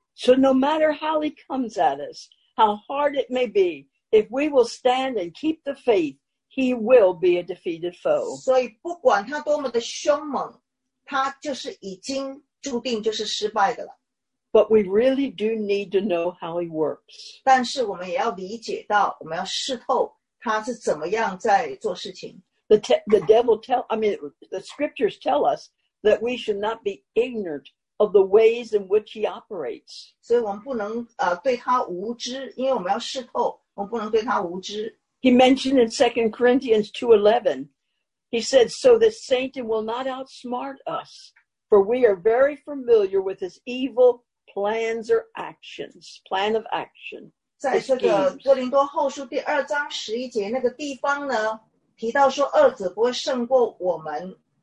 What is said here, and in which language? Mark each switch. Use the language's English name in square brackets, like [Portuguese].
[English] So no matter how he comes at us, how hard it may be, if we will stand and keep the faith, he will be a defeated foe. [Chinese] 所以不管他多么的凶猛, 他就是已经注定就是失败的了。 [English] But we really do need to know how he works. [Chinese] 但是我们也要理解到,我们要试透他是怎么样在做事情。 [English] The scriptures tell us that we should not be ignorant of the ways in which he operates. [Chinese] 所以我们不能, 对他无知, 因为我们要试透, [English] he mentioned in 2 Corinthians 2:11, he said, so that Satan will not outsmart us, for we are very familiar with his evil plans or actions, plan of action. [Chinese] 在这个哥林多后书第二章十一节那个地方呢,提到说恶者不会胜过我们。